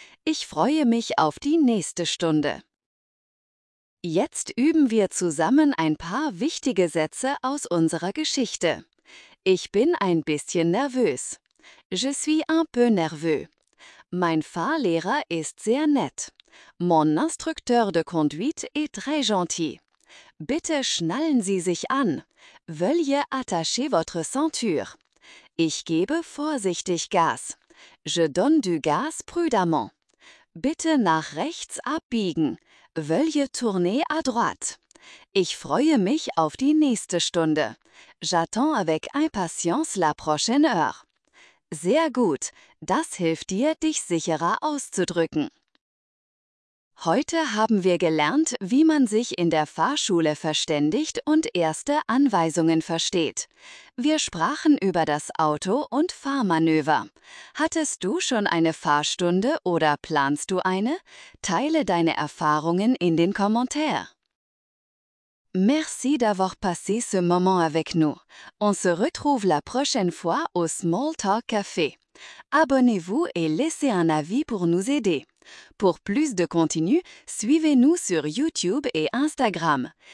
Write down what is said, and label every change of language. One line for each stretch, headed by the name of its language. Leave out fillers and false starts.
German: Ich freue mich auf die nächste Stunde. Jetzt üben wir zusammen ein paar wichtige Sätze aus unserer Geschichte. Ich bin ein bisschen nervös.
French: Je suis un peu nerveux.
German: Mein Fahrlehrer ist sehr nett.
French: Mon instructeur de conduite est très gentil.
German: Bitte schnallen Sie sich an.
French: Veuillez attacher votre ceinture.
German: Ich gebe vorsichtig Gas.
French: Je donne du gaz prudemment.
German: Bitte nach rechts abbiegen.
French: Veuillez tourner à droite.
German: Ich freue mich auf die nächste Stunde.
French: J'attends avec impatience la prochaine heure.
German: Sehr gut. Das hilft dir, dich sicherer auszudrücken. Heute haben wir gelernt, wie man sich in der Fahrschule verständigt und erste Anweisungen versteht. Wir sprachen über das Auto und Fahrmanöver. Hattest du schon eine Fahrstunde oder planst du eine? Teile deine Erfahrungen in den Kommentar.
French: Merci d'avoir passé ce moment avec nous. On se retrouve la prochaine fois au Small Talk Café. Abonnez-vous et laissez un avis pour nous aider. Pour plus de contenu, suivez-nous sur YouTube et Instagram.